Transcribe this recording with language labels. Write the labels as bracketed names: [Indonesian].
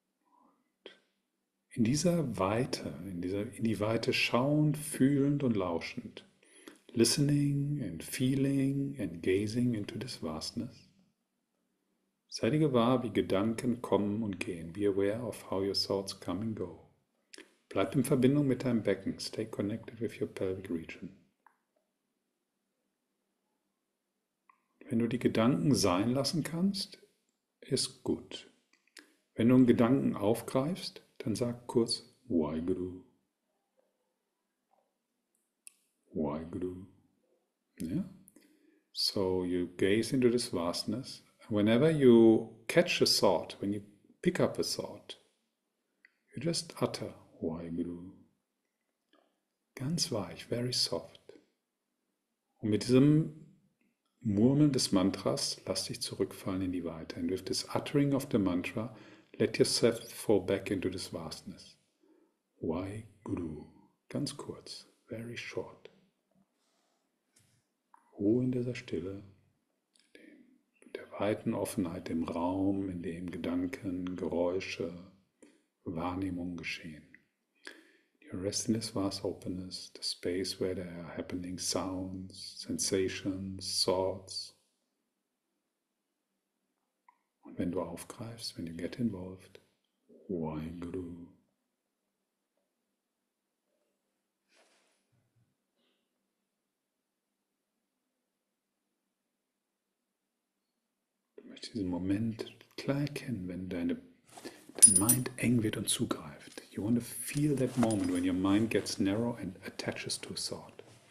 [German] Und in dieser Weite, in die Weite schauend, fühlend und lauschend. [English] Listening and feeling and gazing into this vastness. [German] Sei dir gewahr, wie Gedanken kommen und gehen. [English] Be aware of how your thoughts come and go. [German] Bleib in Verbindung mit deinem Becken. [English] Stay connected with your pelvic region. [German] Wenn du die Gedanken sein lassen kannst, ist gut. Wenn du einen Gedanken aufgreifst, dann sag kurz Waiguru. [English] Waiguru. Yeah. So you gaze into this vastness. Whenever you catch a thought, when you pick up a thought, you just utter Waiguru. [German] Ganz weich, [English] very soft. [German] Und mit diesem Murmeln des Mantras lass dich zurückfallen in die Weite. [English] And with this uttering of the mantra, let yourself fall back into this vastness. [German] Waiguru. Ganz kurz, [English] very short. [German] Ruhe in dieser Stille, der weiten Offenheit, dem Raum, in dem Gedanken, Geräusche, Wahrnehmungen geschehen. [English] Your rest in this vast openness, the space where there are happening sounds, sensations, thoughts. [German] Und wenn du aufgreifst, [English] when you get involved, [German] Waiguru. Diesen Moment klar erkennen, wenn dein Mind eng wird und zugreift. [English] You want to feel that moment when your mind gets narrow and attaches to a thought.